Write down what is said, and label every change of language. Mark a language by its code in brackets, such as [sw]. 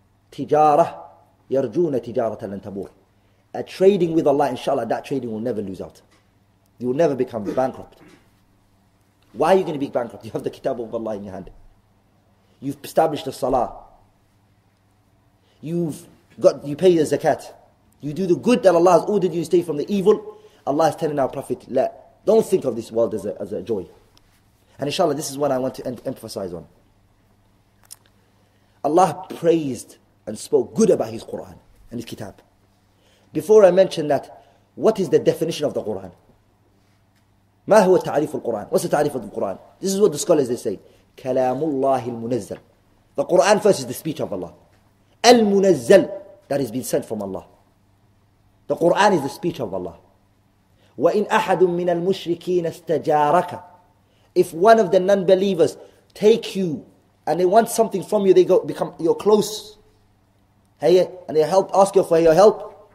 [ar] تجارة يرجون تجارة لن تبور. [en] A trading with Allah, inshallah, that trading will never lose out. You will never become bankrupt. Why are you going to be bankrupt? You have the kitab of Allah in your hand. You've established a salah. You pay the zakat. You do the good that Allah has ordered you to stay from the evil. Allah is telling our Prophet, don't think of this world as a joy. And inshallah, this is what I want to emphasize on. Allah praised and spoke good about His Quran and His Kitab. Before I mention that, what is the definition of the Quran? [ar] ما هو تعريف القرآن? [en] What's the تعريف of the Quran? This is what the scholars they say. [ar] كلام الله المنزل. [en] The Quran first is the speech of Allah. المنزل, that has been sent from Allah. The Quran is the speech of Allah. [ar] وإن أحد من المشركين استجارك. [en] If one of the non-believers take you and they want something from you, they go become your close. Hey, and they help ask you for your help.